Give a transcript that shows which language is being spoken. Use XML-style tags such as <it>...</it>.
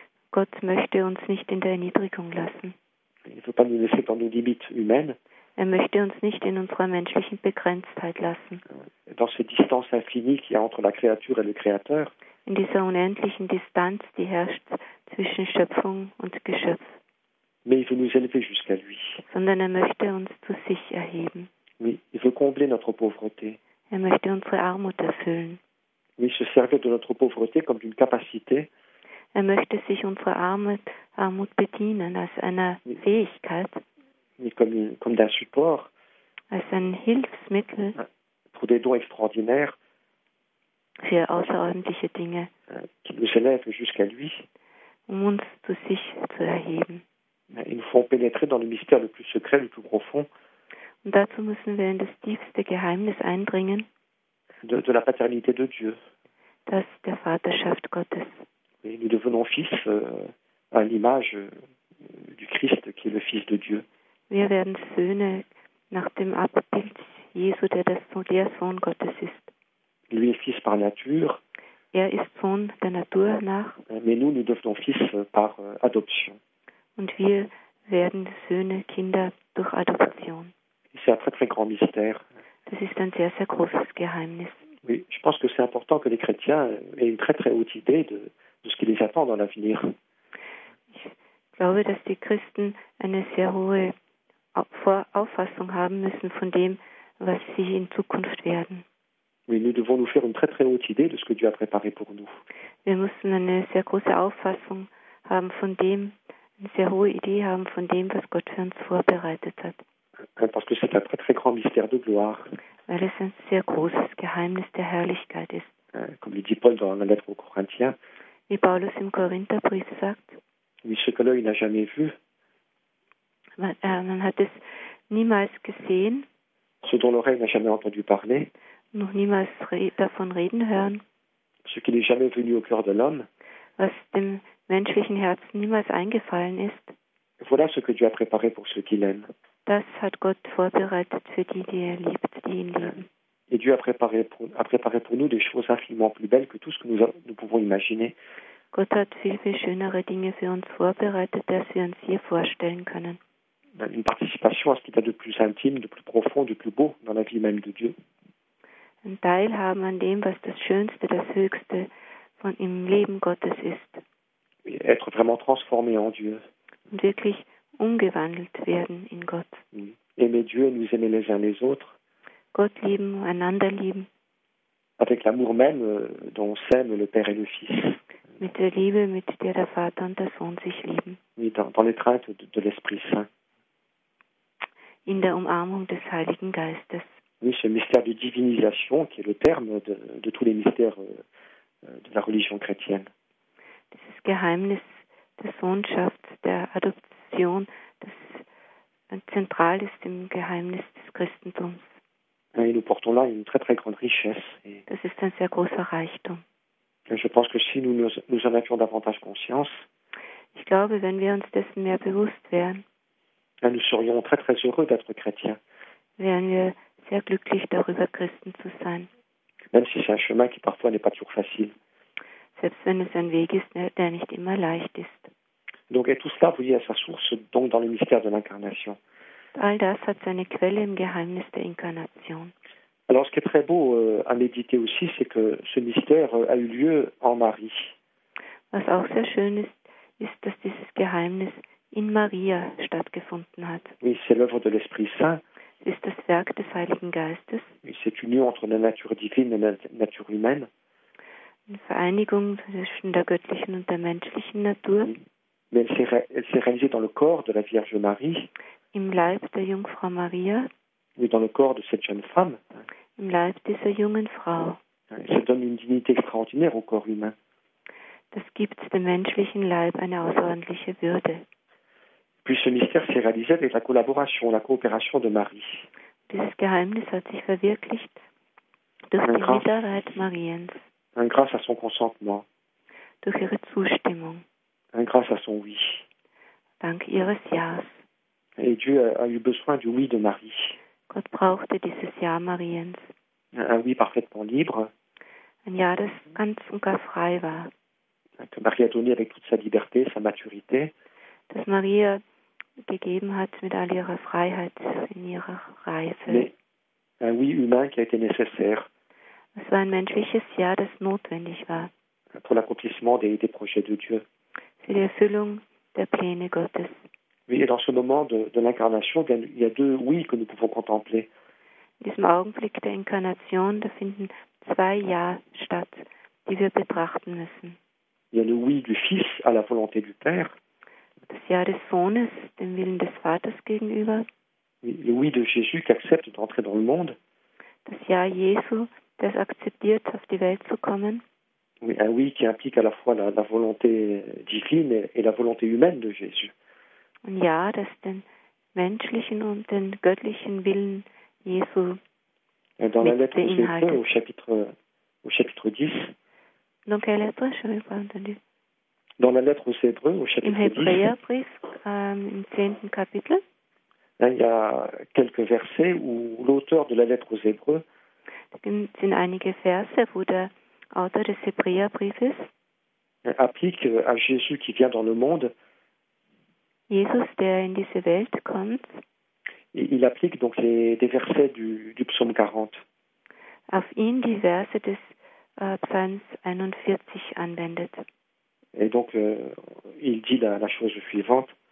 <de>Gott möchte uns nicht in der Erniedrigung lassen.</de> <fr>Il ne veut pas nous laisser dans nos limites humaines.</fr> <de>Er möchte uns nicht in unserer menschlichen Begrenztheit lassen.</de> <fr>Dans cette distance infinie qu'il y a entre la créature et le Créateur.</fr> <de>In dieser unendlichen Distanz, die herrscht zwischen Schöpfung und Geschöpf.</de> <fr>Mais il veut nous élever jusqu'à lui.</fr> <de>Sondern er möchte uns zu sich erheben.</de> <fr>Oui, il veut combler notre pauvreté.</fr> <de>Er möchte unsere Armut erfüllen.</de> <fr>Oui, se servir de notre pauvreté comme d'une capacité.</fr> <de>Er möchte sich unsere Armut bedienen als einer Fähigkeit.</de> <fr>Oui, comme d'un support.</fr> <de>Als ein Hilfsmittel.</de> <fr>Pour des dons extraordinaires.</fr> <de>Für außerordentliche Dinge.</de> <fr>Qui nous élève jusqu'à lui.</fr> <de>Um uns zu sich zu erheben.</de> <fr>Ils nous font pénétrer dans le mystère le plus secret, le plus profond.</fr> <de>Und dazu müssen wir in das tiefste Geheimnis eindringen.</de> <fr>De la paternité de Dieu.</fr> <de>Das der Vaterschaft Gottes.</de> <fr>Et nous devenons fils à l'image du Christ qui est le Fils de Dieu.</fr> <de>Wir werden Söhne nach dem Abbild Jesu, der der Sohn Gottes ist.</de> <fr>Lui est fils par nature.</fr> <de>Er ist Sohn der Natur nach.</de> <fr>Mais nous devenons fils par adoption.</fr> <de>Und wir werden Söhne, Kinder durch Adoption.</de> <fr>C'est un très, très grand mystère.</fr> <de>Das ist ein sehr, sehr großes Geheimnis.</de> <fr>Oui, je pense que c'est important que les chrétiens aient une très, très haute idée de ce qui les attend dans l'avenir.</fr> <de>Ich glaube, dass die Christen eine sehr hohe Auffassung haben müssen von dem, was sie in Zukunft werden.</de> <fr>Oui, nous devons nous faire une très très haute idée de ce que Dieu a préparé pour nous.</fr> <de>Wir müssen eine sehr große Auffassung haben von dem, eine sehr hohe Idee haben von dem, was Gott für uns vorbereitet hat.</de> <fr>Parce que c'est un très très grand mystère de gloire.</fr> <de>Weil es ein sehr großes Geheimnis der Herrlichkeit ist.</de> <fr>Comme le dit Paul dans la lettre aux Corinthiens.</fr> <de>Wie Paulus im Korintherbrief sagt.</de> <fr>Oui, ce que l'œil n'a jamais vu.</fr> <de>Man hat es niemals gesehen.</de> <fr>Ce dont l'oreille n'a jamais entendu parler.</fr> <de>Noch niemals davon reden hören.</de> <fr>Ce qui n'est jamais venu au cœur de l'homme.</fr> <de>Was dem menschlichen Herzen niemals eingefallen ist.</de> <fr>Voilà ce que Dieu a préparé pour ceux qui l'aiment.</fr> <de>Das hat Gott vorbereitet für die, die er liebt, die ihn lieben.</de> <fr>Et Dieu a préparé pour nous des choses infiniment plus belles que tout ce que nous pouvons imaginer.</fr> <de>Gott hat viel, viel schönere Dinge für uns vorbereitet, als wir uns hier vorstellen können.</de> <fr>Une participation à ce qu'il y a de plus intime, de plus profond, de plus beau dans la vie même de Dieu.</fr> <de>Ein Teilhaben an dem, was das Schönste, das Höchste von im Leben Gottes ist.</de> <fr>Être vraiment transformé en Dieu.</fr> <de>Und wirklich umgewandelt werden in Gott.</de> <fr>Aimer Dieu et nous aimer les uns les autres.</fr> <de>Gott lieben, einander lieben.</de> <fr>Avec l'amour même dont s'aime le Père et le Fils.</fr> <de>Mit der Liebe, mit der der Vater und der Sohn sich lieben.</de> <fr>Dans l'étreinte de l'Esprit Saint.</fr> <de>In der Umarmung des Heiligen Geistes.</de> <fr>Oui, ce mystère de divinisation qui est le terme de tous les mystères de la religion chrétienne.</fr> <de>Dieses Geheimnis der Sohnschaft, der Adoption, das zentral ist im Geheimnis des Christentums.</de> <fr>Et nous portons là une très très grande richesse.</fr> <de>Das ist ein sehr großer Reichtum.</de> <fr>Et je pense que si nous en avions davantage conscience,</fr> <de>ich glaube, wenn wir uns dessen mehr bewusst wären,</de> <fr>nous serions très très heureux d'être chrétiens.</fr> <de>Wären wir sehr glücklich darüber, Christen zu sein.</de> <fr>Même si c'est un chemin qui parfois n'est pas toujours facile.</fr> <de>Selbst wenn es ein Weg ist, der nicht immer leicht ist.</de> <fr>Donc et tout cela, vous voyez, à sa source, donc dans le mystère de l'incarnation.</fr> <de>All das hat seine Quelle im Geheimnis der Inkarnation.</de> <fr>Alors, ce qui est très beau à méditer aussi, c'est que ce mystère a eu lieu en Marie.</fr> <de>Was auch sehr schön ist, ist, dass dieses Geheimnis in Maria stattgefunden hat.</de> <fr>Oui, c'est l'œuvre de l'Esprit Saint.</fr> <de>Es ist das Werk des Heiligen Geistes.</de> <fr>Oui, cette union entre la nature divine et la nature humaine.</fr> <de>Une Vereinigung zwischen der göttlichen und der menschlichen Natur.</de> <fr>Oui. Mais elle s'est réalisée dans le corps de la Vierge Marie.</fr> <de>Im Leib der Jungfrau Maria.</de> <fr>Oui, dans le corps de cette jeune femme.</fr> <de>Im Leib dieser jungen Frau.</de> <fr>Oui. Ça donne une dignité extraordinaire au corps humain.</fr> <de>Das gibt dem menschlichen Leib eine außerordentliche Würde.</de> <fr>Puis ce mystère s'est réalisé avec la collaboration, la coopération de Marie.</fr> <de>Dieses Geheimnis hat sich verwirklicht durch die Mitarbeit Mariens.</de> <fr>Grâce à son consentement.</fr> <de>Durch ihre Zustimmung.</de> <fr>Grâce à son oui.</fr> <de>Dank ihres Ja's.</de> <fr>Et Dieu a eu besoin du oui de Marie.</fr> <de>Gott brauchte dieses Ja Mariens.</de> <fr>Un oui parfaitement libre.</fr> <de>Ein Ja, das ganz und gar frei war.</de> <fr>Que Marie a donné avec toute sa liberté, sa maturité.</fr> <de>Dass Maria gegeben hat mit all ihrer Freiheit in ihrer Reife.</de> <fr>Mais un oui humain qui a été nécessaire.</fr> <de>Es war ein menschliches Ja, das notwendig war.</de> <fr>Pour l'accomplissement des projets de Dieu.</fr> <de>Für die Erfüllung der Pläne Gottes.</de> <fr>Oui, et dans ce moment de l'incarnation, il y a deux oui que nous pouvons contempler.</fr> <de>In diesem Augenblick der Inkarnation, da finden zwei Ja statt, die wir betrachten müssen.</de> <fr>Il y a le oui du Fils à la volonté du Père.</fr> <de>Das Ja des Sohnes, dem Willen des Vaters gegenüber.</de> <fr>Le oui de Jésus qui accepte d'entrer dans le monde.</fr> <de>Das Ja Jesu, das akzeptiert, auf die Welt zu kommen.</de> <fr>Oui, un oui qui implique à la fois la volonté divine et la volonté humaine de Jésus.</fr> <de>Ein Ja, das den menschlichen und den göttlichen Willen Jesu beinhaltet.</de> <fr>Dans la lettre aux Hébreux, au chapitre 10, Dans quelle lettre, je n'ai pas entendu. Dans la lettre aux Hébreux, au chapitre 10.</fr> <de>Im Hebräerbrief, im 10. Kapitel.</de> <fr>Il y a quelques versets où l'auteur de la lettre aux Hébreux.</fr> <de>Sind einige Verse, wo der Autor des Hebräerbriefes.</de> <fr>Applique à Jésus qui vient dans le monde.</fr> <de>Jesus, der in diese Welt kommt.</de> <fr>Et il applique donc des versets du psaume 40.</fr> <de>Auf ihn die Verse des Psalm 41 anwendet.</de> <fr>Et donc, il dit la chose suivante.</fr>